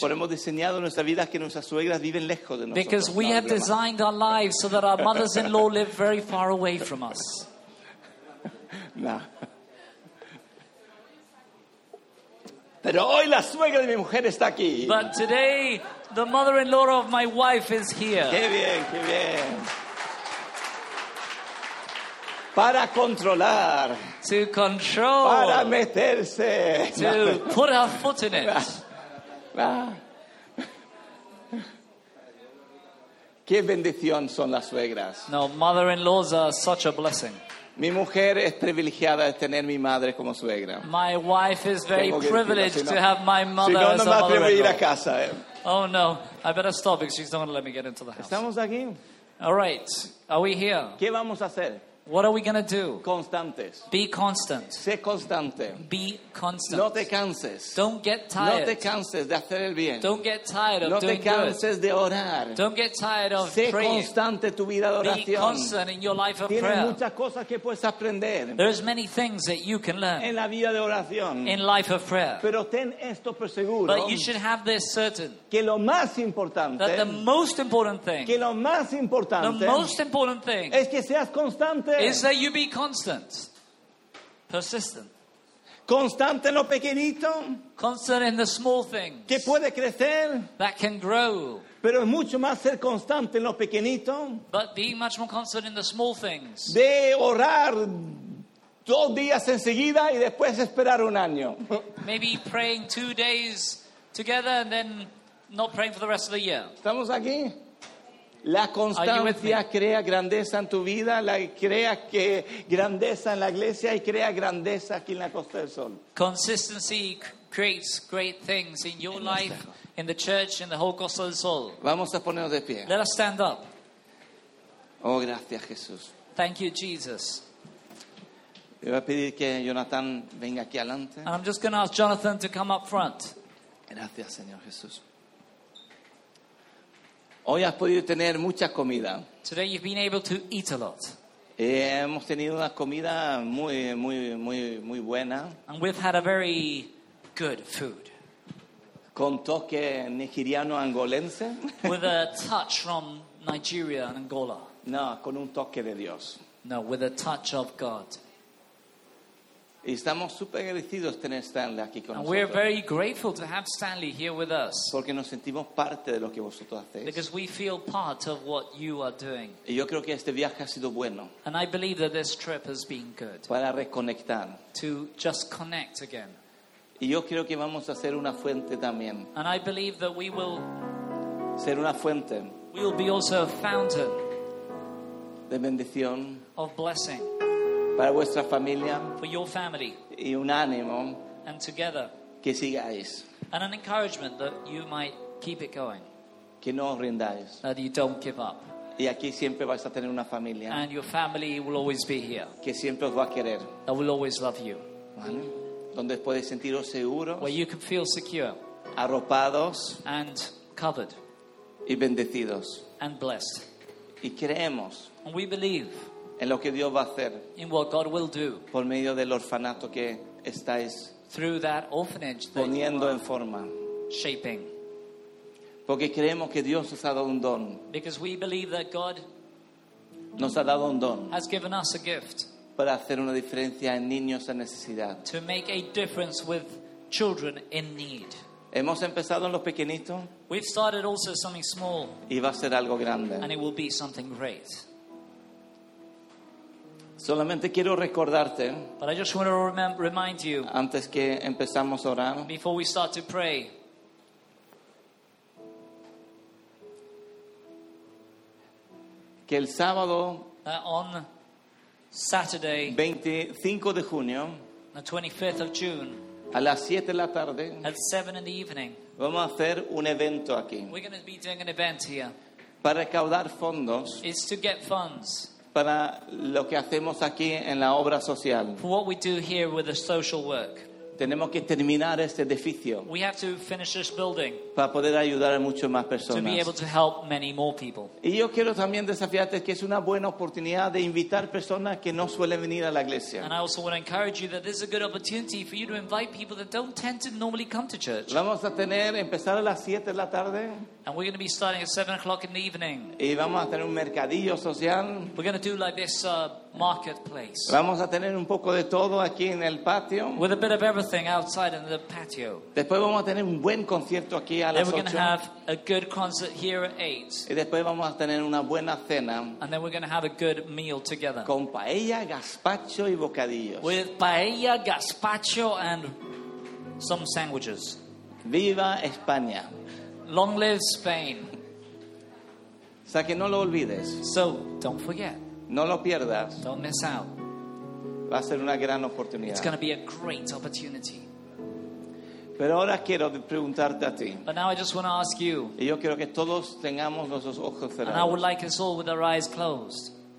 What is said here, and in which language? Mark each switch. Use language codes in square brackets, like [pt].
[es] Porque hemos diseñado nuestra vida que nuestras suegras viven lejos de nosotros. [en] Because we have designed our lives so that our mothers-in-law live very far away from us. No. [es] Pero hoy la suegra de mi mujer está aquí. [en] But today, the mother-in-law of my wife is here. [es] Qué bien, qué bien. Para controlar. [en] To control. [es] Para meterse. [en] To put our foot in it. [es] Qué bendición son las suegras. [en] No, mother-in-laws are such a blessing. [es] Mi mujer es privilegiada de tener mi madre como suegra. [en] My wife is very privileged to have my mother as a [es] Si no, no me atrevo a ir a casa. [en] Oh no, I better stop because she's not going to let me get into the house. [es] Estamos aquí. [en] All right, are we here? [es] ¿Qué vamos a hacer? [en] What are we going to do? [es] Constantes. [en] Be constant. [es] Sé constante. [en] Be constant. [es] No te canses. [en] Don't get tired. [es] No te canses de hacer el bien. [en] Don't get tired of [es] no [en] doing good. [es] No te canses de orar. [en] Don't get tired of [es] sé [en] praying. [es] Sé constante tu vida de oración. [en] Be constant in your life of [es] Tienes [en] prayer. [es] Tienes muchas cosas que puedes aprender. [en] There's many things that you can learn. [es] En la vida de oración. [en] In life of prayer. [es] Pero ten esto por seguro. [en] But you should have this certain. [es] Que lo más importante. [en] That the most important thing. [es] Que lo más importante. [en] The most important thing. [es] Es que seas constante. [en] Is that you be constant, persistent, [es] constante en lo pequeñito, [en] constant in the small things, [es] que puede crecer, [en] that can grow, [es] pero es mucho más ser constante en lo pequeñito, [en] but being much more constant in the small things, [es] de orar dos días enseguida y después esperar un año, [en] maybe praying 2 days together and then not praying for the rest of the year. [es] Estamos aquí. La constancia crea grandeza en tu vida, la crea que grandeza en la iglesia y crea grandeza aquí en la Costa del Sol. [en] Consistency creates great things in your life, in the church, in the whole Costa del Sol. [es] Vamos a ponernos de pie. [en] Let us stand up. [es] Oh, gracias, Jesús. [en] Thank you, Jesus. [es] Yo voy a pedir que Jonathan venga aquí adelante. [en] And I'm just going to ask Jonathan to come up front. [es] Gracias, Señor Jesús. Hoy has podido tener mucha comida. [en] Today you've been able to eat a lot. [es] Hemos tenido una comida muy, muy, muy, muy buena. [en] And we've had a very good food. [es] Con toque nigeriano angolense. [en] With a touch from Nigeria and Angola. [es] No, con un toque de Dios. [en] No, with a touch of God. [es] Y estamos súper agradecidos de tener Stanley aquí con [en] And [es] nosotros. [en] We are very grateful to have Stanley here with us. [es] Porque nos sentimos parte de lo que vosotros hacéis. [en] Because we feel part of what you are doing. [es] Y yo creo que este viaje ha sido bueno. [en] And I believe that this trip has been good. [es] Para reconectar. [en] To just connect again. [es] Y yo creo que vamos a ser una fuente también. [en] And I believe that we will [es] ser una fuente. [en] We will be also a fountain. [es] De bendición. [en] Of blessing. [es] Para vuestra familia. [en] For your family. [es] Y un ánimo. [en] And together. [es] Que sigáis. [en] And an encouragement that you might keep it going. [es] Que no os rindáis. [en] That you don't give up. [es] Y aquí siempre vais a tener una familia. [en] And your family will always be here. [es] Que siempre os va a querer. [en] That will always love you. [es] ¿Vale? Donde podéis sentiros seguros. [en] Where you can feel secure. [es] Arropados. [en] And covered. [es] Y bendecidos. [en] And blessed. [es] Y creemos. [en] And we believe. [es] En lo que Dios va a hacer. [en] In what God will do. [es] Por medio del orfanato que estáis. [en] Through that orphanage that [es] poniendo en forma. [en] Shaping. [es] Porque creemos que Dios nos ha dado un don. [en] Because we believe that God. [es] Nos ha dado un don. [en] Has given us a gift. [es] para hacer una diferencia en niños en necesidad. [en] To make a difference with children in need. [es] Hemos empezado en los pequeñitos. [en] We've started also something small. [es] Y va a ser algo grande. [en] And it will be something great. [es] Solamente quiero recordarte. [en] But I just want to remind you. [es] Antes que empezamos a orar. [en] Before we start to pray. [es] Que el sábado. [en] On Saturday. [es] 25 de junio. [en] The 25th of June. [es] A las 7 de la tarde. [en] At 7 in the evening. [es] Vamos a hacer un evento aquí. [en] We're going to be doing an event here. [es] Para recaudar fondos. [en] It's to get funds. [es] Para lo que hacemos aquí en la obra social. [en] For what we do here with the social work. [es] Tenemos que terminar este edificio. [en] We have to finish this building. [es] Para poder ayudar a muchas más personas. [en] To be able to help many more people. [es] Y yo quiero también desafiarte que es una buena oportunidad de invitar personas que no suelen venir a la iglesia. [en] And I also want to encourage you that this is a good opportunity for you to invite people that don't tend to normally come to church. [es] Vamos a tener empezar a las 7 de la tarde. [en] And we're going to be starting at 7 o'clock in the evening. [es] Y vamos a tener un mercadillo social. [en] We're going to do like this marketplace. [es] Vamos a tener un poco de todo aquí en el patio. [en] With a bit of everything outside in the patio. [es] Después vamos a tener un buen concierto aquí a las [en] 8. Then we're going to have a good concert here at 8. [es] Y después vamos a tener una buena cena. [en] And then we're going to have a good meal together. [es] Con paella, gazpacho y bocadillos. [en] With paella, gazpacho and some sandwiches. [es] Viva España. [en] Long live Spain. [es] O sea, que no lo olvides. [en] So, don't forget. [es] No lo pierdas. [en] Don't miss out. [es] Va a ser una gran oportunidad. [en] It's going to be a great opportunity. [es] Pero ahora quiero preguntarte a ti. [en] But now I just want to ask you. [es] Y yo quiero que todos tengamos nuestros ojos cerrados. [en] And I would like us all with our eyes closed.